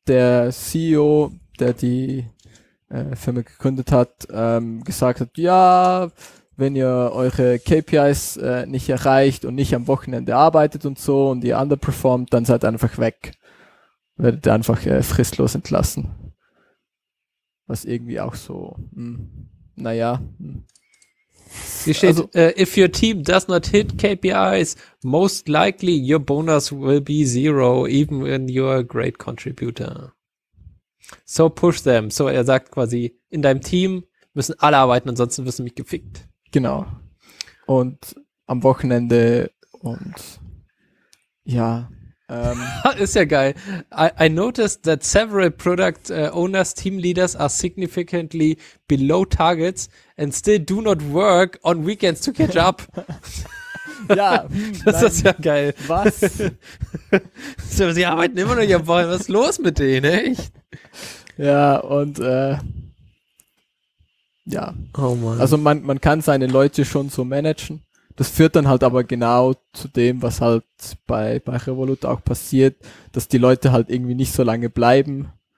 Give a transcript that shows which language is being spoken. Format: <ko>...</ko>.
<de>Der CEO, der die Firma gegründet hat, gesagt hat, ja, wenn ihr eure KPIs nicht erreicht und nicht am Wochenende arbeitet und so und ihr underperformt, dann seid einfach weg. Werdet einfach fristlos entlassen. Was irgendwie auch so, naja. Hier steht, also,</de> <en>if your team does not hit KPIs, most likely your bonus will be zero, even when you're a great contributor. So push them.</en> <de>So er sagt quasi, in deinem Team müssen alle arbeiten, ansonsten wirst du mich gefickt. Genau. Und am Wochenende und ja, ist ja geil.</de> <en>I noticed that several product owners, team leaders are significantly below targets and still do not work on weekends to catch up.</en> <de>Ja, das ist ja geil. Was? Sie arbeiten immer noch am Wochenende. Was ist los mit denen, echt? Ja, und ja. Oh Mann. Also man kann seine Leute schon so managen. Das führt dann halt aber genau zu dem, was halt bei Revolut auch passiert, dass die Leute halt irgendwie nicht so lange bleiben.</de>